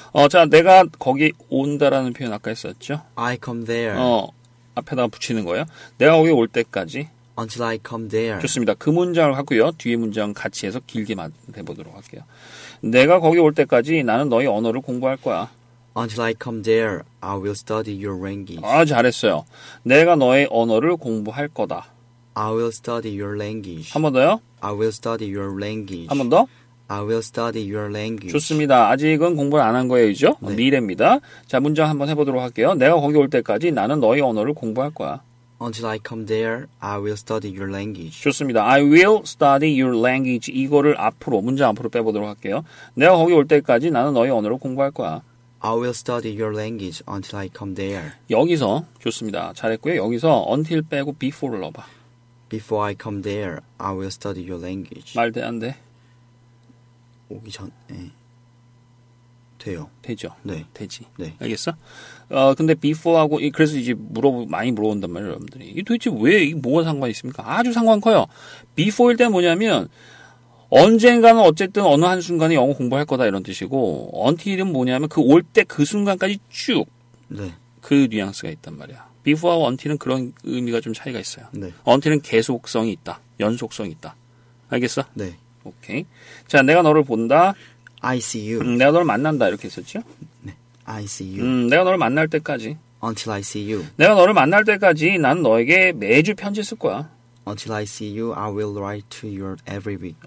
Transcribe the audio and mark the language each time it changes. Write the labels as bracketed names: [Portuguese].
[Korean] 자, 내가 거기 온다라는 표현 아까 했었죠? [English] I come there. [Korean] 앞에다가 붙이는 거예요. 내가 거기 올 때까지. [English] Until I come there. [Korean] 좋습니다. 그 문장을 갖고요. 뒤에 문장 같이 해서 길게 해보도록 할게요. 내가 거기 올 때까지 나는 너의 언어를 공부할 거야. [English] Until I come there, I will study your language. [Korean] 아, 잘했어요. 내가 너의 언어를 공부할 거다. [English] I will study your language. [Korean] 한 번 더요. [English] I will study your language. [Korean] 한 번 더. [English] I will study your language. [Korean] 좋습니다. 아직은 공부를 안 한 거예요, 그죠? 네. 미래입니다. 자, 문장 한번 해보도록 할게요. 내가 거기 올 때까지 나는 너의 언어를 공부할 거야. [English] Until I come there, I will study your language. [Korean] 좋습니다. [English] I will study your language. [Korean] 이거를 앞으로, 문장 앞으로 빼보도록 할게요. 내가 거기 올 때까지 나는 너의 언어를 공부할 거야. [English] I will study your language until I come there. [Korean] 여기서, 좋습니다. 잘했고요. 여기서 until 빼고 before를 넣어봐. [English] Before I come there, I will study your language. [Korean] 말 돼, 안 돼? 오기 전에. 돼요. 되죠? 네. 되지. 네. 알겠어? 근데 before하고, 그래서 이제 많이 물어본단 말이에요, 여러분들이. 이게 도대체 왜, 이게 뭐가 상관이 있습니까? 아주 상관 커요. before일 때 뭐냐면, 언젠가는 어쨌든 어느 한순간에 영어 공부할 거다 이런 뜻이고, until은 뭐냐면, 그 올 때 그 순간까지 쭉. 네. 그 뉘앙스가 있단 말이야. before와 until은 그런 의미가 좀 차이가 있어요. 네. until은 계속성이 있다. 연속성이 있다. 알겠어? 네. 오케이. 자, 내가 너를 본다. [English] I see you. [Korean] 내가 너를 만난다. 이렇게 했었죠? [English] 네. I see you. [Korean] 내가 너를 만날 때까지. [English] Until I see you. [Korean] 내가 너를 만날 때까지 나는 너에게 매주 편지 쓸 거야. [English] Until I see you, I will write to you every week.